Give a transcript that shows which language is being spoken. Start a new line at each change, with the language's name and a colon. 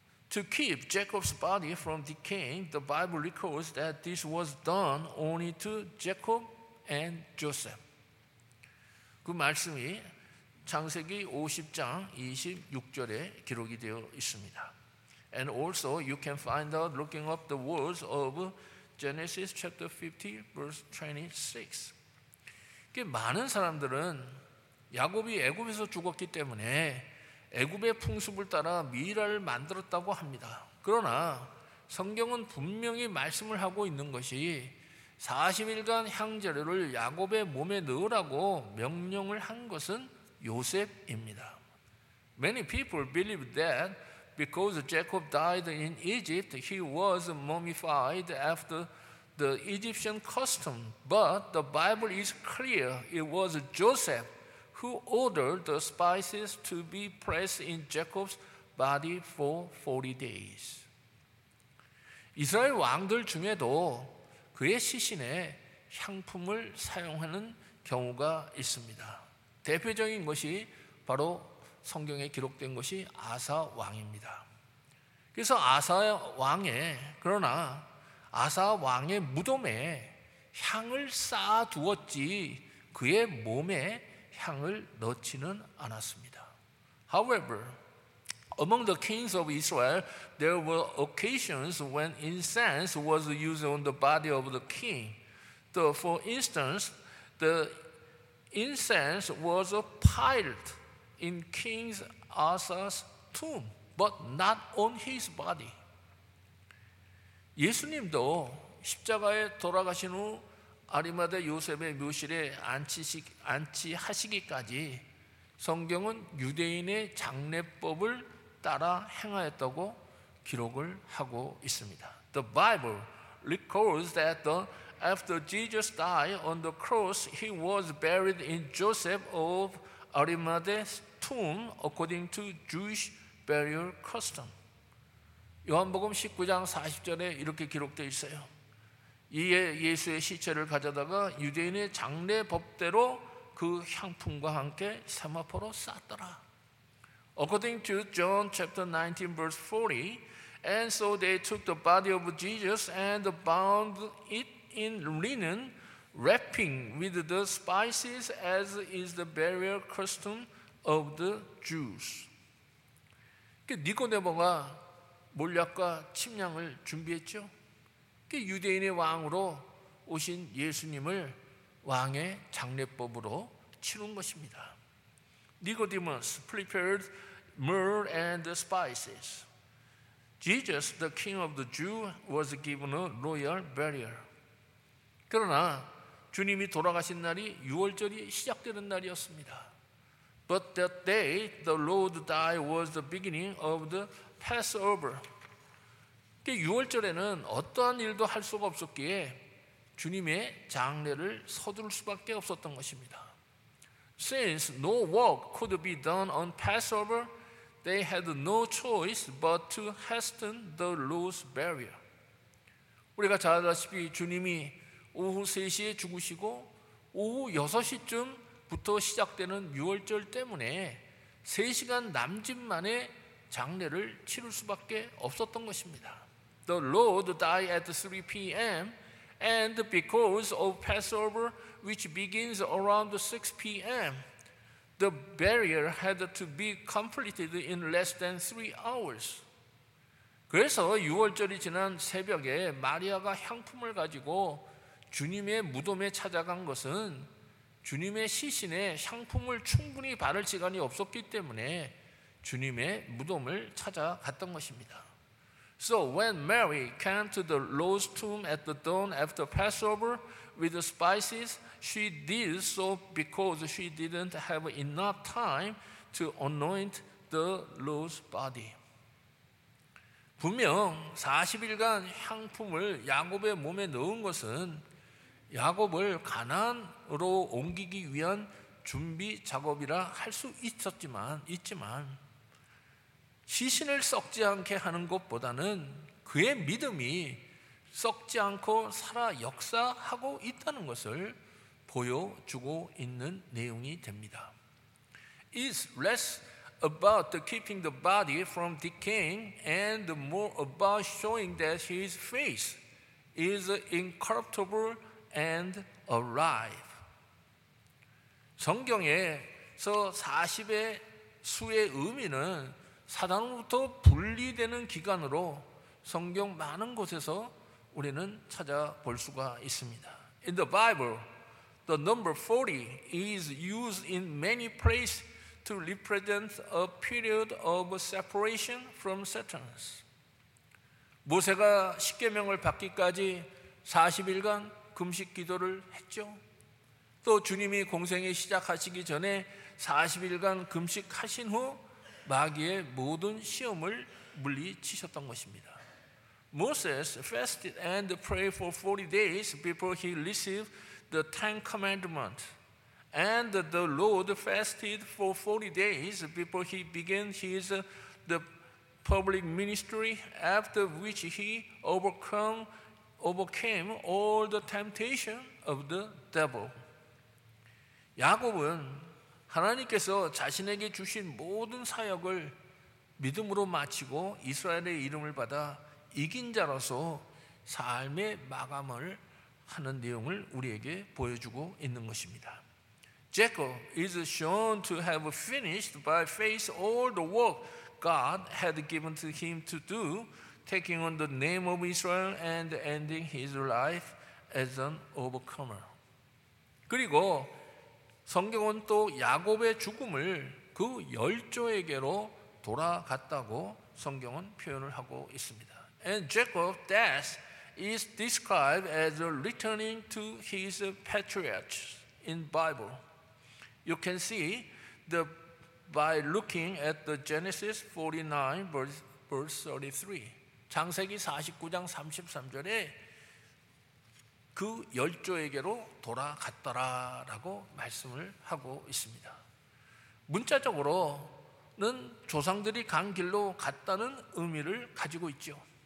English: To keep Jacob's body from decaying, the Bible records that this was done only to Jacob and Joseph.
Korean: 그 말씀이 창세기 50장 26절에 기록이 되어 있습니다.
English: And also you can find out looking up the words of Genesis chapter 50 verse 26.
Korean: 많은 사람들은 야곱이 애굽에서 죽었기 때문에 애굽의 풍습을 따라 미라를 만들었다고 합니다. 그러나 성경은 분명히 말씀을 하고 있는 것이 40일간 향재료를 야곱의 몸에 넣으라고 명령을 한 것은 요셉입니다.
English: Many people believe that because Jacob died in Egypt, he was mummified after the Egyptian custom. But the Bible is clear it was Joseph who ordered the spices to be pressed in Jacob's body for 40 days.
Korean: 이스라엘 왕들 중에도 그의 시신에 향품을 사용하는 경우가 있습니다. 대표적인 것이 바로 성경에 기록된 것이 아사 왕입니다. 그래서 아사 왕의 그러나 아사 왕의 무덤에 향을 쌓아두었지 그의 몸에 향을 넣지는 않았습니다.
English: However, among the kings of Israel, there were occasions when incense was used on the body of the king. So for instance, the incense was piled in King Asa's tomb, but not on his body.
Korean: 예수님도 십자가에 돌아가신 후 아리마대 요셉의 묘실에 안치하시기까지 성경은 유대인의 장례법을 따라 행하였다고 기록을 하고 있습니다.
English: The Bible records that after Jesus died on the cross, he was buried in Joseph of Arimathea's tomb according to Jewish burial custom.
Korean: 요한복음 19장 40절에 이렇게 기록되어 있어요. 이에 예수의 시체를 가져다가 유대인의 장례법대로 그 향품과 함께 세마포로 쌌더라.
English: According to John chapter 19 verse 40, and so they took the body of Jesus and bound it in linen, wrapping with the spices as is the burial custom of the Jews.
Korean: 니고데모가 몰약과 침량을 준비했죠. 유대인의 왕으로 오신 예수님을 왕의 장례법으로 치른 것입니다.
English: Nicodemus prepared myrrh and spices. Jesus, the king of the Jews, was given a royal burial.
Korean: 그러나 주님이 돌아가신 날이 유월절이 시작되는 날이었습니다.
English: But that day the Lord died was the beginning of the Passover.
Korean: 유월절에는 어떠한 일도 할 수가 없었기에 주님의 장례를 서둘 수밖에 없었던 것입니다.
English: Since no work could be done on Passover, they had no choice but to hasten the Lord's burial.
Korean: 우리가 잘 알다시피 주님이 오후 3시에 죽으시고 오후 6시쯤부터 시작되는 유월절 때문에 3시간 남짓 만에 장례를 치를 수밖에 없었던 것입니다.
English: The Lord died at 3 p.m. and because of Passover, which begins around 6 p.m., the burial had to be completed in less than 3 hours.
Korean: 그래서 유월절이 지난 새벽에 마리아가 향품을 가지고 주님의 무덤에 찾아간 것은 주님의 시신에 향품을 충분히 바를 시간이 없었기 때문에 주님의 무덤을 찾아갔던 것입니다.
English: So when Mary came to the Lord's tomb at the dawn after Passover with the spices, she did so because she didn't have enough time to anoint the Lord's body.
Korean: 분명 40일간 향품을 야곱의 몸에 넣은 것은 야곱을 가나안으로 옮기기 위한 준비 작업이라 할 수 있지만 시신을 썩지 않게 하는 것보다는 그의 믿음이 썩지 않고 살아 역사하고 있다는 것을 보여주고 있는 내용이 됩니다.
English: It's less about the keeping the body from decaying and more about showing that his face is incorruptible and alive.
Korean: 성경에서 40의 수의 의미는 사단으로부터 분리되는 기간으로 성경 많은 곳에서 우리는 찾아볼 수가 있습니다.
English: In the Bible, the number 40 is used in many places to represent a period of separation from Satan.
Korean: 모세가 십계명을 받기까지 40일간 금식 기도를 했죠. 또 주님이 공생애 시작하시기 전에 40일간 금식하신 후 마귀의 모든 시험을 물리치셨던 것입니다.
English: Moses fasted and prayed for 40 days before he received the Ten Commandments. And the Lord fasted for 40 days before he began his the public ministry, after which he overcame all the temptation of the devil.
Korean: 야곱은 하나님께서 자신에게 주신 모든 사역을 믿음으로 마치고 이스라엘의 이름을 받아 이긴 자로서 삶의 마감을 하는 내용을 우리에게 보여주고 있는 것입니다.
English: Jacob is shown to have finished by faith all the work God had given to him to do, taking on the name of Israel and ending his life as an overcomer.
Korean: 그리고 성경은 또 야곱의 죽음을 그 열조에게로 돌아갔다고 성경은 표현을 하고 있습니다.
English: And Jacob's death is described as returning to his patriarch in Bible. You can see the by looking at the Genesis 49 verse 33.
Korean: 창세기 49장 33절에 그 열조에게로 돌아갔더라라고 말씀을 하고 있습니다. 문자적으로는 조상들이 간 길로 갔다는 의미를 가지고 있죠.